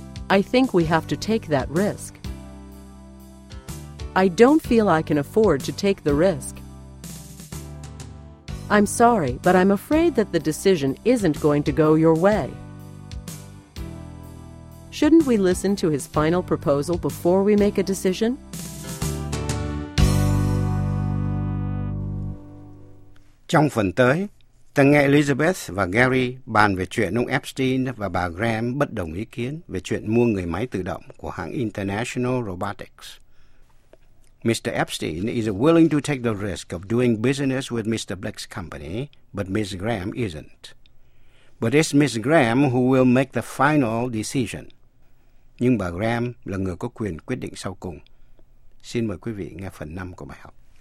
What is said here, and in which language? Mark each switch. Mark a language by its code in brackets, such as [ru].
[en] I think we have to take that risk. I don't feel I can afford to take the risk. I'm sorry, but I'm afraid that the decision isn't going to go your way. Shouldn't we listen to his final proposal before we make a decision? [vi] Trong phần tới, ta nghe Elizabeth và Gary bàn về chuyện ông Epstein và bà Graham bất đồng ý kiến về chuyện mua người máy tự động của hãng International Robotics. [en] Mr. Epstein is willing to take the risk of doing business with Mr. Black's company, but Ms. Graham isn't. But it's Ms. Graham who will make the final decision. [vi] Nhưng bà Graham là người có quyền quyết định sau cùng. Xin mời quý vị nghe phần 5 của bài học.